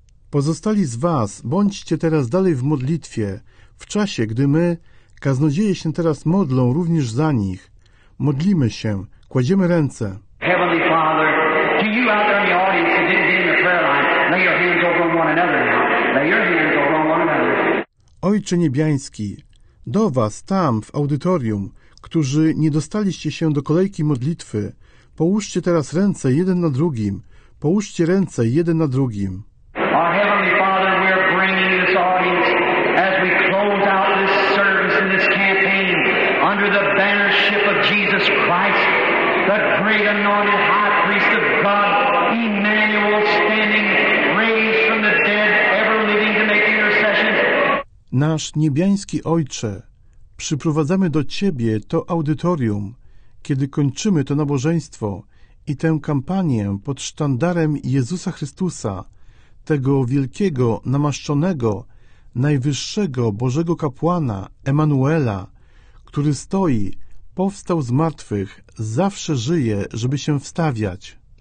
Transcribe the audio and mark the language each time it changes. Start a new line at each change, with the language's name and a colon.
Polish: Pozostali z was, bądźcie teraz dalej w modlitwie, w czasie, gdy my, kaznodzieje się teraz modlą również za nich. Modlimy się, kładziemy ręce.
English: Heavenly Father, to you out there in the audience who didn't get in the prayer line, lay your hands over on one another now. Lay your hands over on one another.
Polish: Ojcze niebiański, do was tam w audytorium, którzy nie dostaliście się do kolejki modlitwy, połóżcie teraz ręce jeden na drugim. Połóżcie ręce jeden na drugim.
English: Our Heavenly Father, we are bringing this audience as we close out this service and this campaign under the bannership of Jesus Christ, the great anointed high priest of God, Emmanuel, standing raised from the dead, ever living to make intercession.
Polish: Nasz niebiański Ojcze, przyprowadzamy do Ciebie to audytorium, kiedy kończymy to nabożeństwo i tę kampanię pod sztandarem Jezusa Chrystusa, tego wielkiego, namaszczonego, najwyższego Bożego kapłana, Emanuela, który stoi, powstał z martwych, zawsze żyje, żeby się wstawiać.